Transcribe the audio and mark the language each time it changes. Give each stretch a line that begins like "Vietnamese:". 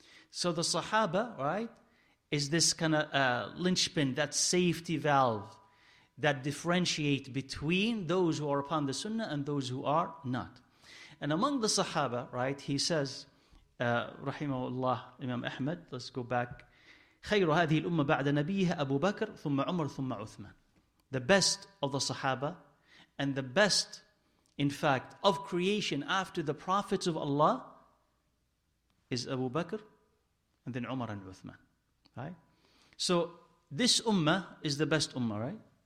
English: So the Sahaba, right, is this kind of linchpin, that safety valve that differentiate between those who are upon the Sunnah and those who are not. And among the Sahaba, right, he says, Rahimahullah, Imam Ahmad, let's go back.
Arabic: خير هذه الأمة بعد نبيها أبو بكر ثم عمر ثم عثمان.
English: The best of the Sahaba and the best, in fact, of creation after the prophets of Allah is Abu Bakr. And then Umar and Uthman, right? So this ummah is the best ummah, right?